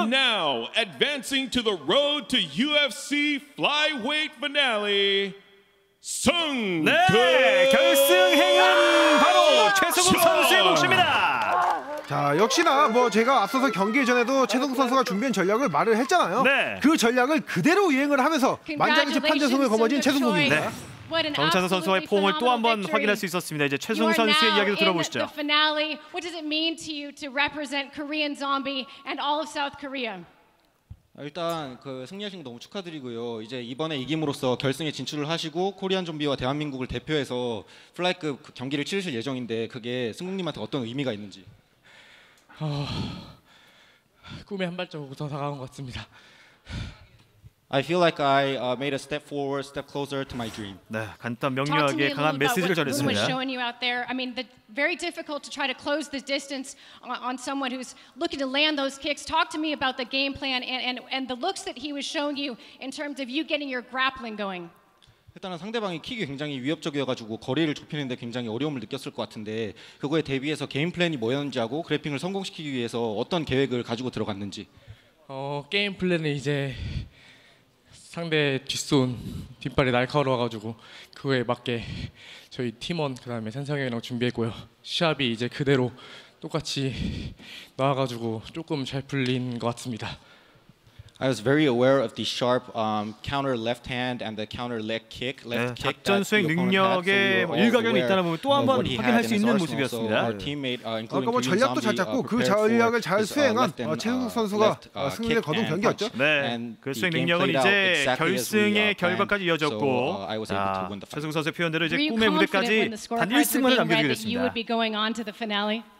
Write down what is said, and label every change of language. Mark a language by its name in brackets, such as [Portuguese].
[English] And now advancing to the road to UFC flyweight finale. [Korean] 승! 네! 결승행은 바로 최승욱 선수의 몫입니다! 자, 역시나 뭐 제가 앞서서 경기 전에도 최승욱 선수가 준비한 전략을 말을 했잖아요. 네. 그 전략을 그대로 이행을 하면서 만장일치 판정승을 거머쥔 최승욱입니다. 네. 정찬서 선수의 폼을 또 한번 확인할 수 있었습니다. 이제 최승 선수의 이야기도 들어보시죠. [English] The finale. What does it mean to you to represent Korean Zombie and all of South Korea? [Korean] 일단 그 승리하신 거 너무 축하드리고요. 이제 이번에 이김으로써 결승에 진출을 하시고 코리안 좀비와 대한민국을 대표해서 플라이급 경기를 치르실 예정인데 그게 승국님한테 어떤 의미가 있는지. 꿈에 한 발자국 더 다가온 것 같습니다. [English] I feel like I made a step forward, step closer to my dream. [Korean] 네, 간단 명료하게 강한 메시지를 전했습니다. [English] Talk to me a little about what Boom was showing you out there. I mean, the very difficult to try to close the distance on someone who's looking to land those kicks. Talk to me about the game plan and the looks that he was showing you in terms of you getting your grappling going. [Korean] 일단은 상대방이 킥이 굉장히 위협적이어가지고 거리를 좁히는 데 굉장히 어려움을 느꼈을 것 같은데 그거에 대비해서 게임 플랜이 뭐였는지 하고 그래핑을 성공시키기 위해서 어떤 계획을 가지고 들어갔는지. 게임 플랜은 이제 상대 뒷손 뒷발이 날카로워 가지고 그거에 맞게 저희 팀원 그다음에 산성형이랑 준비했고요. 시합이 이제 그대로 똑같이 나와 가지고 조금 잘 풀린 것 같습니다. [English] I was very aware of the sharp counter left hand and the counter leg kick. Left [Korean] 네, 작전 수행 능력에 so 일가견이 있다는 부분 또 한번 확인할 수 있는 모습이었습니다. 아까 뭐 전략도 잘 짰고 그 전략을 잘 수행한 최승욱 선수가 승리를 거둔 경기였죠. 네, 그 수행 능력은 이제 결승의 결과까지 이어졌고 최승욱 선수의 표현대로 이제 꿈의 무대까지 단 1승만을 남겨주게 됐습니다.